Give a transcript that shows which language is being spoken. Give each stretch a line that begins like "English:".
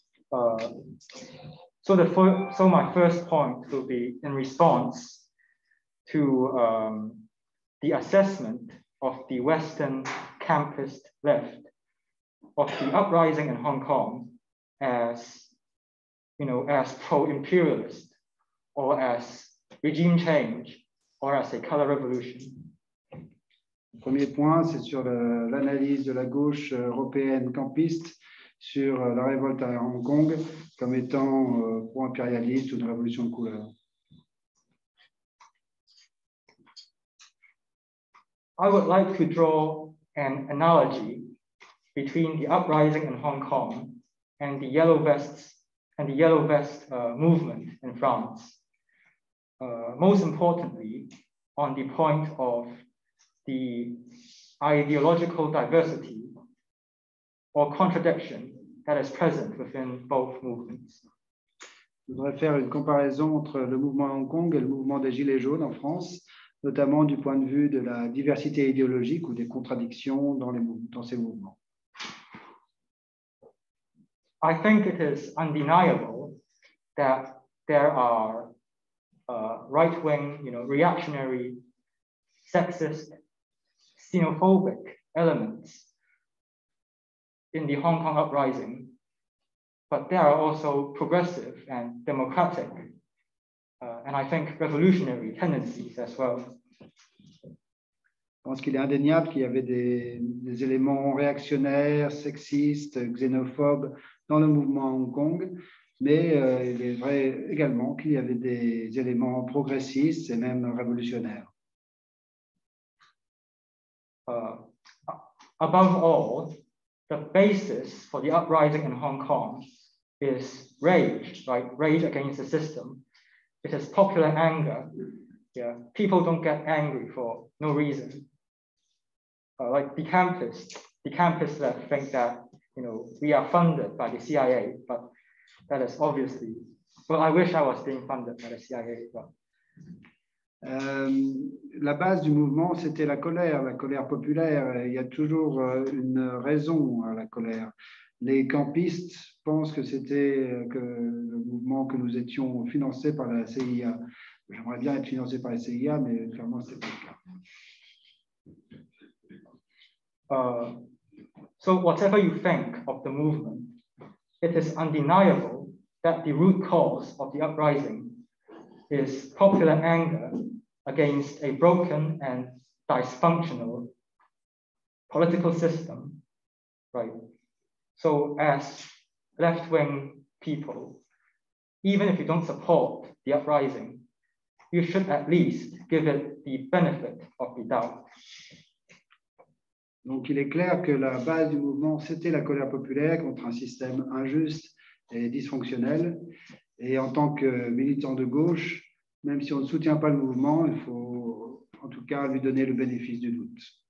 English: My first point will be in response to the assessment of the Western campus left of the uprising in Hong Kong as, you know, as pro-imperialist or as regime change or as a color revolution.
French: Premier point, c'est sur l'analyse de la gauche européenne campiste sur la révolte à Hong Kong comme étant pro-impérialiste ou une révolution de couleur.
English: I would like to draw an analogy between the uprising in Hong Kong and the Yellow Vests and the Yellow Vest movement in France. Most importantly, on the point of the ideological diversity or contradiction that is present within both movements.
French: Je voudrais faire une comparaison entre le mouvement Hong Kong et le mouvement des Gilets jaunes en France, notamment du point de vue de la diversité idéologique ou des contradictions dans ces mouvements.
English: I think it is undeniable that there are right-wing, you know, reactionary, sexist, xenophobic elements in the Hong Kong uprising, but there are also progressive and democratic, and I think revolutionary tendencies as well.
French: Je pense qu'il est indéniable qu'il y avait des éléments réactionnaires, sexistes, xénophobes dans le mouvement Hong Kong, mais il est vrai également qu'il y avait des éléments progressistes et même révolutionnaires.
English: Above all, the basis for the uprising in Hong Kong is rage, right? Rage against the system. It is popular anger. Yeah, people don't get angry for no reason. Like the campus left think that, you know, we are funded by the CIA, but that is obviously, well, I wish I was being funded by the CIA, but.
French: La base du mouvement, c'était la colère populaire. Il y a toujours une raison à la colère. Les campistes pensent que c'était que le mouvement que nous étions financé par la CIA. J'aimerais bien être financé par la CIA, mais clairement, ce n'est pas le cas.
English: So whatever you think of the movement, it is undeniable that the root cause of the uprising is popular anger against a broken and dysfunctional political system, right? So as left-wing people, even if you don't support the uprising, you should at least give it the benefit of the doubt.
French: Donc il est clair que la base du mouvement, c'était la colère populaire contre un système injuste et dysfonctionnel. Et en tant que militant de gauche, même si on ne soutient pas le mouvement, il faut en tout cas lui donner le bénéfice du doute.